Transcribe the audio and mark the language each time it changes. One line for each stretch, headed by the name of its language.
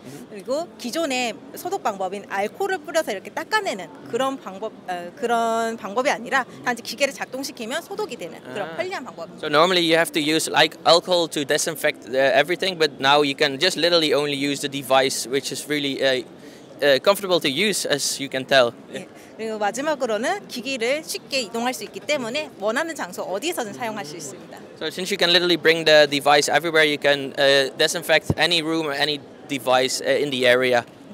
Korean: 그리고 기존의 소독 방법인 알코올을 뿌려서 이렇게 닦아내는 그런 방법 그런 방법이 아니라 단지 기계를 작동시키면 소독이 되는 그런 편리한 방법입니다.
English: So normally you have to use like alcohol to disinfect everything, but now you can just literally only use the device, which is really comfortable to use, as you can tell.
Korean: 그리고 마지막으로는 기기를 쉽게 이동할 수 있기 때문에 원하는 장소 어디에서든 사용할 수 있습니다.
English: So since you can literally bring the device everywhere, you can disinfect any room or any device in the area.